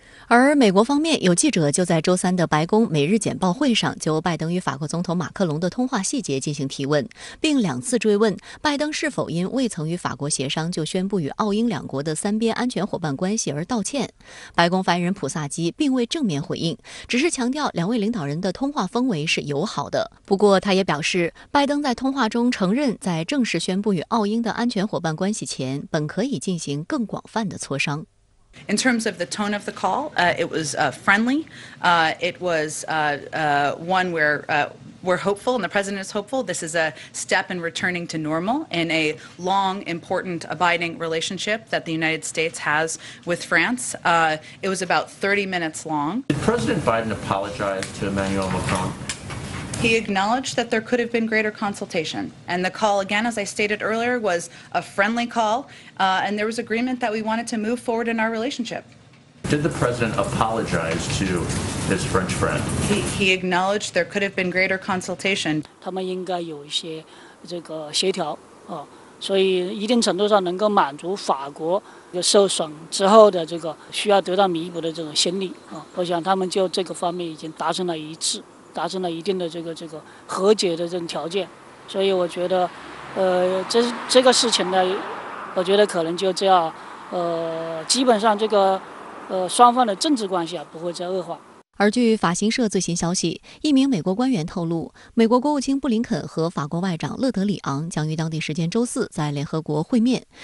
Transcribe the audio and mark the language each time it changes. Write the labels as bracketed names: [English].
[Chinese] 而美国方面，有记者就在周三的白宫美日简报会上就拜登与法国总统马克龙的通话细节进行提问，并两次追问拜登是否因未曾与法国协商就宣布与澳英两国的三边安全伙伴关系而道歉。白宫发言人普萨基并未正面回应，只是强调两位领导人的通话氛围是友好的。不过他也表示，拜登在通话中承认，在正式宣布与澳英的安全伙伴关系前，本可以进行更广泛的磋商。 [English] In terms of the tone of the call, it was friendly. It was one where we're hopeful and the president is hopeful. This is a step in returning to normal in a long, important, abiding relationship that the United States has with France. It was about 30 minutes long. Did President Biden apologize to Emmanuel Macron? He acknowledged that there could have been greater consultation. And the call, again, as I stated earlier, was a friendly call. And there was agreement that we wanted to move forward in our relationship. Did the president apologize to his French friend? He acknowledged there could have been greater consultation. They should have some cooperation. So it can be able to satisfy the French after the damage after the need to get a compensation. I think they have already achieved agreement. [Chinese] 达成了一定的这个和解的这种条件，所以我觉得，这个事情呢，我觉得可能就这样，基本上这个，双方的政治关系啊不会再恶化。而据法新社最新消息，一名美国官员透露，美国国务卿布林肯和法国外长勒德里昂将于当地时间周四在联合国会面。